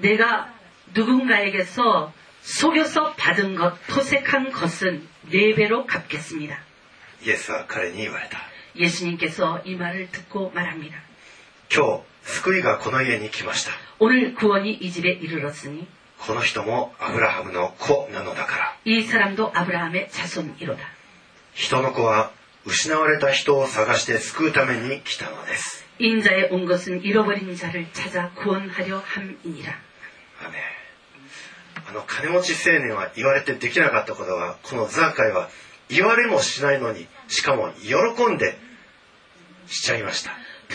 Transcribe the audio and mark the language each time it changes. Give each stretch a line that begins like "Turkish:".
Korean: 내가누군가에게서속여서받은것、토색한것은4배로갚겠습니다。
Japanese: イエスは彼に言われた。
Korean: イエス님께서이말을듣고말합니다。
Japanese: 今日、救いがこの家に来ました。
Korean: 오늘구원이이집에이르렀으니。
Japanese: この人もアブラハムの子なのだから。
Korean: 이사람도아브라함의자손이로다。
Japanese: 人の子は失われた人を探して救うために来たのです。
Korean: 인자에온것은잃어버린자를찾아구원하려함이니라。 아멘。
Japanese: あの金持ち青年は言われてできなかったことが、このザーカイは言われもしないのに、しかも喜んでしちゃいました。